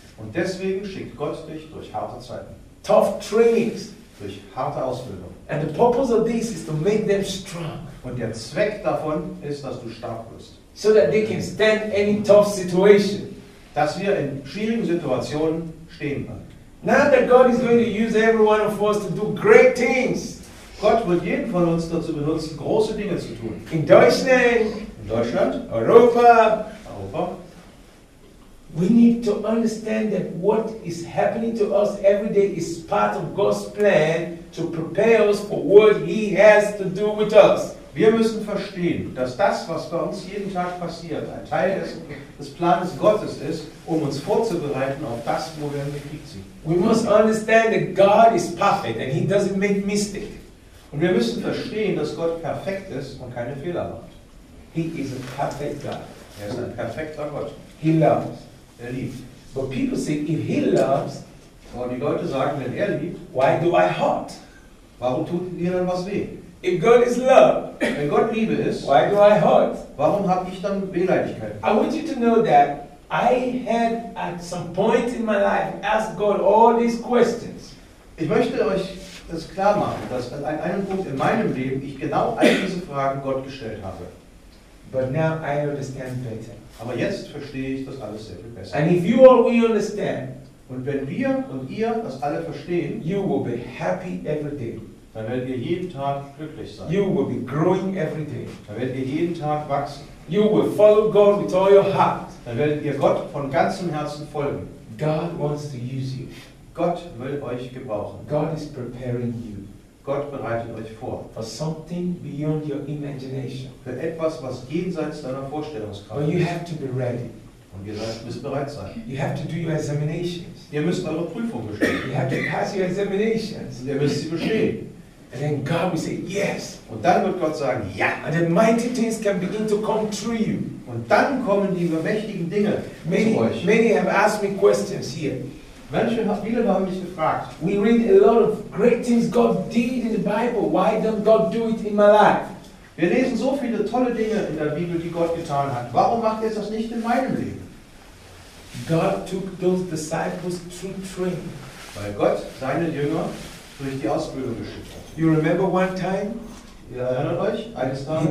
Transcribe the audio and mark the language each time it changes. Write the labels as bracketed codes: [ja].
[de] Und deswegen schickt Gott dich durch harte Zeiten. [en] Tough trainings. [de] Durch harte Ausbildung. [en] And the purpose of this is to make them strong. [de] Und der Zweck davon ist, dass du stark wirst. [en] So that they can stand any tough situation. [de] Dass wir in schwierigen Situationen stehen können. [en] Now that God is going to use every one of us to do great things. [de] Gott wird jeden von uns dazu benutzen, große Dinge zu tun. In Deutschland. In Deutschland. Europa. Europa. [en] We need to understand that what is happening to us every day is part of God's plan to prepare us for what He has to do with us. [de] Wir müssen verstehen, dass das, was bei uns jeden Tag passiert, ein Teil des Planes Gottes ist, um uns vorzubereiten auf das, wo wir in den Krieg ziehen. [en] We must understand that God is perfect and He doesn't make mistakes. [de] Und wir müssen verstehen, dass Gott perfekt ist und keine Fehler macht. [en] He is a perfect God. [de] Er ist ein perfekter Gott. [en] He loves. [de] Er liebt. [en] But people say, if He loves, [de] aber die Leute sagen, wenn er liebt, [en] why do I hurt? [de] Warum tut mir dann was weh? [en] If God is love, [de] wenn Gott Liebe ist, [en] why do I hurt? [de] Warum habe ich dann Wehleidigkeit? [en] I want you to know that I had at some point in my life asked God all these questions. [de] Ich möchte euch das klar machen, dass an einem Punkt in meinem Leben ich genau all diese Fragen Gott gestellt habe. [en] But now I understand better. [de] Aber jetzt verstehe ich das alles sehr viel besser. [en] And if you all will understand, [de] und wenn wir und ihr das alle verstehen, [en] you will be happy every day. [de] Dann werdet ihr jeden Tag glücklich sein. [en] You will be growing every day. [de] Dann werdet ihr jeden Tag wachsen. [en] You will follow God with all your heart. [de] Dann werdet ihr Gott von ganzem Herzen folgen. [en] God wants to use you. [de] Gott will euch gebrauchen. [en] God is preparing you. [de] Gott bereitet euch vor. [en] For something beyond your imagination. [de] Für etwas, was jenseits deiner Vorstellungskraft ist. [en] But you have to be ready. [de] Und ihr müsst bereit sein. [en] You have to do your examinations. [de] Ihr müsst eure Prüfung bestehen. [en] You have to pass your examinations. [de] Und ihr müsst sie bestehen. [en] And then God will say yes. [de] Und dann wird Gott sagen ja. [en] And then mighty things can begin to come through you. [de] Und dann kommen die übermächtigen Dinge [en] many, [de] zu euch. [en] Many have asked me questions here. [de] Manche haben viele haben mich gefragt. [en] We read a lot of great things God did in the Bible. Why don't God do it in my life? [de] Wir lesen so viele tolle Dinge in der Bibel, die Gott getan hat. Warum macht er das nicht in meinem Leben? [en] God took those disciples to train. [de] Weil Gott seine Jünger durch die Ausbildung geschickt hat. [en] You remember one time? [de] Ihr erinnert euch? Eines Tages.